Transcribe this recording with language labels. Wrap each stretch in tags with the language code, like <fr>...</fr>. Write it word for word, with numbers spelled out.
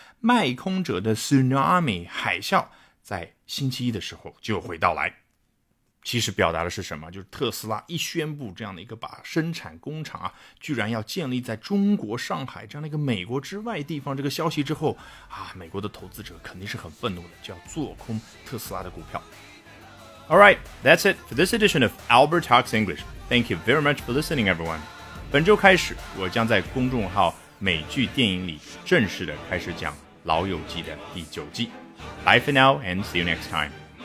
<zh>卖空者的 tsunami 海啸在星期一的时候就会到来。其实表达的是什么？就是特斯拉一宣布这样的一个把生产工厂啊，居然要建立在中国上海这样的一个美国之外地方这个消息之后啊，美国的投资者肯定是很愤怒的，就要做空特斯拉的股票。</zh> <en>All right, that's it for this edition of Albert Talks English. Thank you very much for listening, everyone.</en> <zh>本周开始，我将在公众号美剧电影里正式的开始讲《老友记》的第九季。</zh> <en>Bye for now and see you next time.</en>